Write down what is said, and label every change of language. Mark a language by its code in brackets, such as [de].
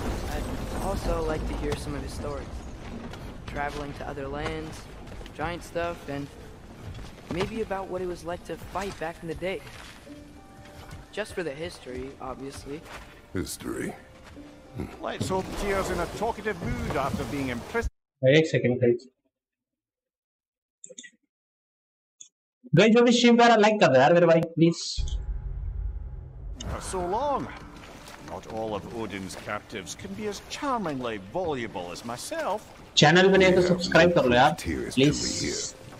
[en] I'd also like to hear some of his stories. Traveling to other lands, giant stuff, and maybe about what it was like to fight back in the day. Just for the history, obviously. History? Let's hope Tia's in a talkative mood after being imprisoned. [hi] एक second guys, जो भी stream पर like कर रहे यार मेरे भाई please. [en] For so long, not all of Odin's captives can be as charmingly voluble as myself. [hi] Channel बने तो सब्सक्राइब कर लो यार प्लीज।